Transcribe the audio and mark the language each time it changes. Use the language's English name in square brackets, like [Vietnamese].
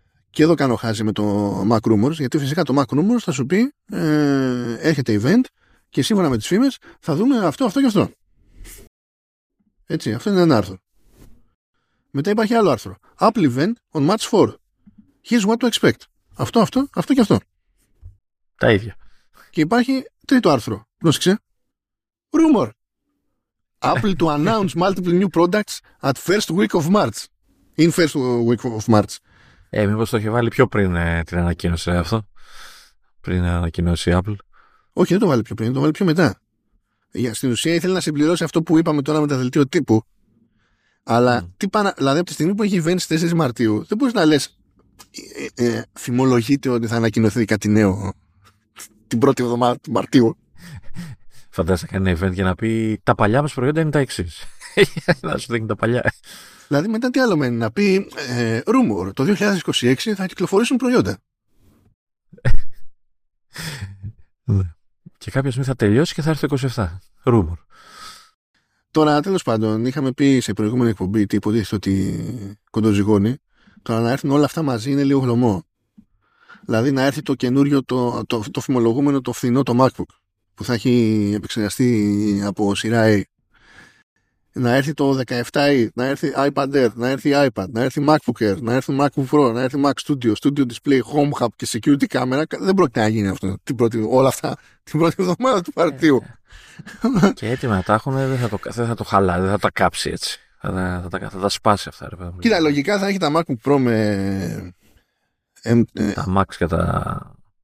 [Greek] Και εδώ κάνω χάζι με το Mac Rumors, γιατί φυσικά το Mac Rumors θα σου πει έρχεται event και σύμφωνα με τις φήμες θα δούμε αυτό, αυτό και αυτό. Έτσι, αυτό είναι ένα άρθρο. Μετά υπάρχει άλλο άρθρο. [English] Apple event on March 4. Here's what to expect. [Greek] Αυτό, αυτό, αυτό και αυτό. Τα ίδια. Και υπάρχει τρίτο άρθρο. Πρόσεξε. Rumor. [English] Apple to announce multiple new products at first week of March. In first week of March. [Greek] Μήπως το είχε βάλει πιο πριν την ανακοίνωση αυτό. Πριν ανακοινώσει η Apple. Όχι, δεν το βάλει πιο πριν, το βάλει πιο μετά. Στην ουσία ήθελε να συμπληρώσει αυτό που είπαμε τώρα με τα δελτίο τύπου. Αλλά τι πάνε, δηλαδή από τη στιγμή που έχει event στις 4 Μαρτίου, δεν μπορείς να λες φημολογείται ότι θα ανακοινωθεί κάτι νέο την πρώτη εβδομάδα του Μαρτίου. Φαντάζεσαι κανένα event για να πει τα παλιά μας προϊόντα είναι τα εξής. Να σου δείχνει τα παλιά. Δηλαδή μετά τι άλλο μένει να πει rumor, το 2026 θα κυκλοφορήσουν προϊόντα. Και κάποια στιγμή θα τελειώσει και θα έρθει το 27. [English] Rumor. [Greek] Τώρα, τέλος πάντων, είχαμε πει σε προηγούμενη εκπομπή ότι υποτίθεται ότι κοντοζυγώνει. Τώρα να έρθουν όλα αυτά μαζί είναι λίγο γλωμό. Δηλαδή να έρθει το καινούριο, το φημολογούμενο, το φθηνό, το MacBook που θα έχει επεξεργαστεί από σειρά A. Να έρθει το 17i, να έρθει iPad Air, να έρθει iPad, να έρθει MacBook Air, να έρθει MacBook Pro, να έρθει Mac Studio, Studio Display, Home Hub και Security Camera. Δεν πρόκειται να γίνει αυτό όλα αυτά την πρώτη εβδομάδα του Μαρτίου. Και έτοιμα να τα έχουν, δεν θα το χαλάει, δεν θα τα κάψει έτσι. Θα τα σπάσει αυτά. Ρε, κοίτα, λογικά θα έχει τα MacBook Pro με... Τα Max και τα...